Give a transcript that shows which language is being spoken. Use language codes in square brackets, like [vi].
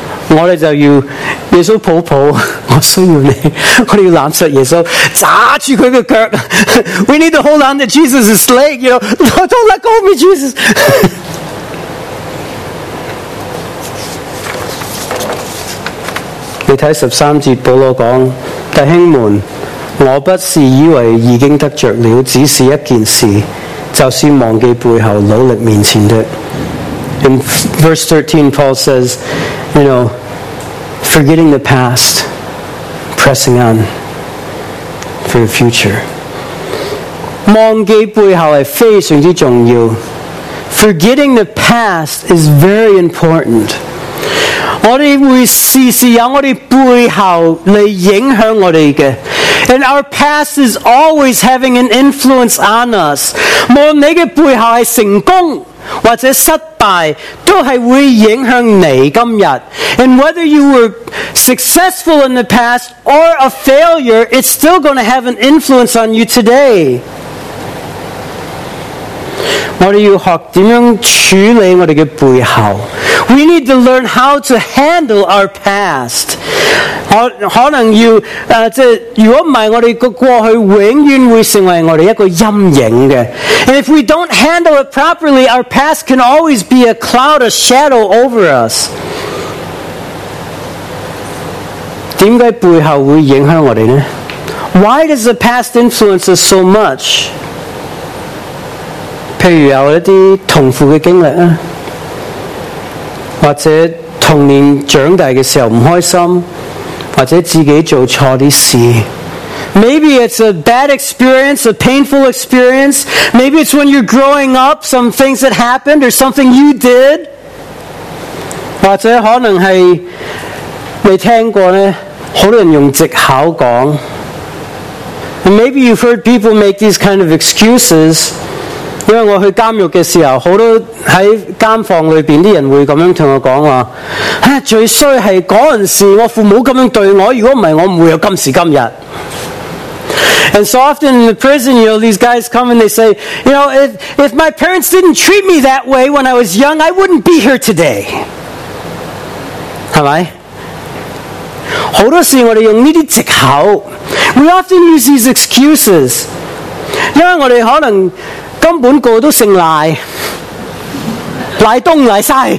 [yue] 我们就要耶稣抱抱，我需要你，我们要揽着耶稣，揸住他的脚。 [en] We need to hold on to Jesus' leg, you know. Don't let go of me, Jesus. [yue] 你看十三节，保罗讲：弟兄们，我不是以为已经得着了，只是一件事，就是忘记背后，努力面前的。 [en] In verse 13, Paul says, you know, forgetting the past, pressing on for the future. [yue] 忘记背后是非常之重要。 [en] Forgetting the past is very important. [yue] 我们会时时有我们背后来影响我们的。 [en] And our past is always having an influence on us. [yue] 无论你的背后是成功或者失败，都是会影响你今天。 [en] And whether you were successful in the past or a failure, it's still going to have an influence on you today. [yue] 我们要学怎样处理我们的背后。 [en] We need to learn how to handle our past. [yue] 可能要即如果唔系我哋个过去永远会成为我哋一个阴影嘅。 [en] And if we don't handle it properly, our past can always be a cloud, a shadow over us. [yue] 点解背后会影响我哋呢？ [en] Why does the past influence us so much? [yue] 譬如有一啲痛苦嘅经历啊。或者童年长大的时候不开心，或者自己做错的事。 [en] Maybe it's a bad experience, a painful experience. Maybe it's when you're growing up, some things that happened or something you did. [yue] 或者可能是你听过呢，很多人用藉口讲。 [en] And maybe you've heard people make these kind of excuses. [yue] 因为我去监狱的时候，很多在监房里面的人会这样跟我说，最衰是那件事我父母这样对我，如果不是我不会有今时今日。 [en] And so often in the prison, you know, these guys come and they say, you know, if my parents didn't treat me that way when I was young, I wouldn't be here today. [yue] 是吧？很多时我们用这些藉口， [en] We often use these excuses. [yue] 因为我们可能根本个都姓赖，赖东赖西。